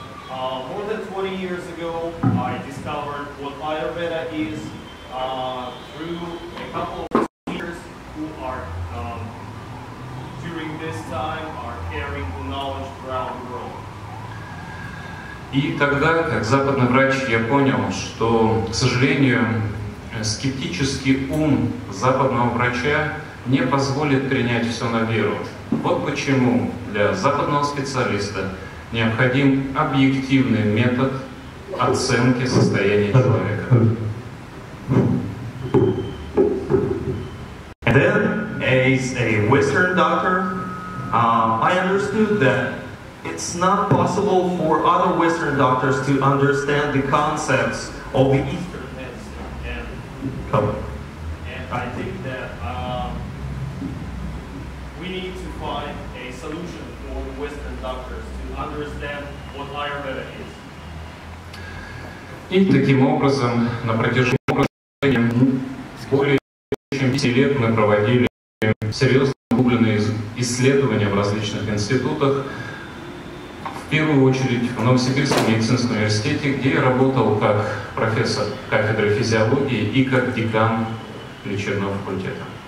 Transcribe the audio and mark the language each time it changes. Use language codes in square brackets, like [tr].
[en] More than 20 years ago, I discovered what Ayurveda is through a couple of who are during this time are carrying knowledge around the world. [ru] И тогда, как западный врач, я понял, что, к сожалению, скептический ум западного врача не позволит принять все на веру. Вот почему для западного специалиста необходим объективный метод оценки состояния человека. [en] And then, as a Western doctor, I understood that it's not possible for other Western doctors to understand the concepts of the Eastern medicine. And I think that we need to find a solution for the Western doctors to understand what Ayurveda is. [ru] И таким образом, на протяжении более чем 10 лет мы проводили серьезные углубленные исследования в различных институтах. В первую очередь в Новосибирском медицинском университете, где я работал как профессор кафедры физиологии и как декан лечебного факультета.